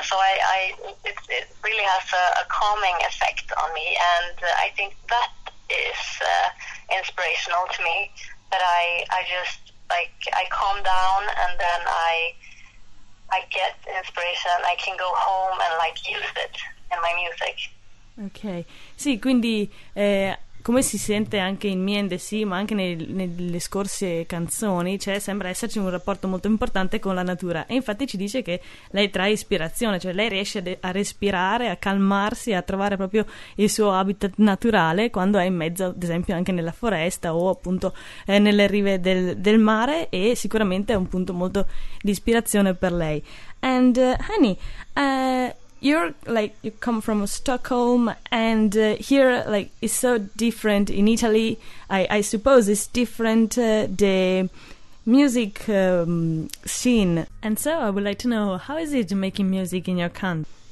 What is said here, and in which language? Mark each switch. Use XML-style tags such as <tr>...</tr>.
<en>So it really has a calming effect on me, and I think that is inspirational to me. That I just like I calm down, and then I get inspiration. I can go home and like use it in my music.</en> <it>Ok, sì, quindi come si sente anche in Me and the Sea, ma anche nelle scorse canzoni, cioè sembra esserci un rapporto molto importante con la natura, e infatti ci dice che lei trae ispirazione, cioè lei riesce a respirare, a calmarsi, a trovare proprio il suo habitat naturale quando è in mezzo, ad esempio, anche nella foresta o appunto nelle rive del mare, e sicuramente è un punto molto di ispirazione per lei.</it> <en>And Annie, you come from Stockholm, and here like it's so different in Italy. I suppose it's different the music scene. And so I would like to know, how is it making music in your country?</en>